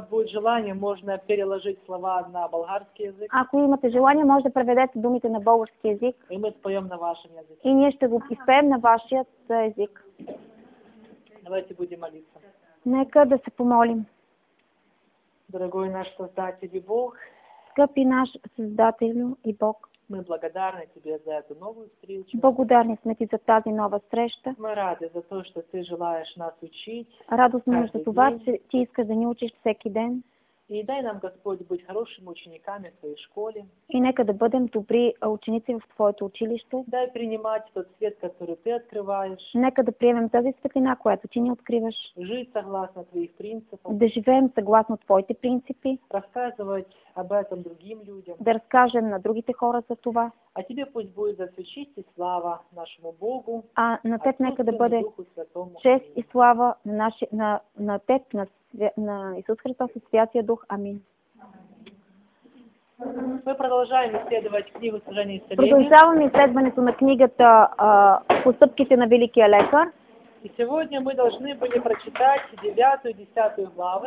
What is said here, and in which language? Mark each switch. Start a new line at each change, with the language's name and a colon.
Russian: Желание, можно переложить слова на болгарский язык.
Bulgarian: Ако имате желание, може да преведете думите на български език.
Russian: И мы споем на вашем языке.
Bulgarian: И ние ще го изпеем на вашия език.
Russian: Давайте будем молиться.
Bulgarian: Нека да се помолим.
Russian: Дорогой наш Создатель и Бог.
Bulgarian: Скъпи наш Създателю и Бог.
Russian: Мы благодарны тебе за эту новую встречу.
Bulgarian: Благодарны сме ти за тази нова среща.
Russian: Мы рады за то, что ты желаешь нас учить.
Bulgarian: Радостно за това, че ти искаш да ни учиш всеки ден.
Russian: И дай нам, Господь, быть хорошими учениками в твоей школе.
Bulgarian: И нека да бъдем добри ученици в твоето училище.
Russian: Дай принимать тот свет, который ты открываешь.
Bulgarian: Нека да приемем тази светлина, която ти ни откриваш.
Russian: Жить согласно твоих принципов.
Bulgarian: Да живеем согласно твоите принципи.
Russian: Рассказывать об этом другим людям.
Bulgarian: Да разкажем на другите хора за това.
Russian: А тебе пусть будет за всю честь и слава нашему Богу.
Bulgarian: А на теб нека да бъде чест и слава на теб, на Иисус Христос и Святия Дух. Амин.
Russian: Мы продолжаем исследовать книгу «Служение и исцеление».
Bulgarian: Продолжаем исследованието на книгата «Постъпките на великия лекар».
Russian: И сегодня мы должны были прочитать 9-10 главы.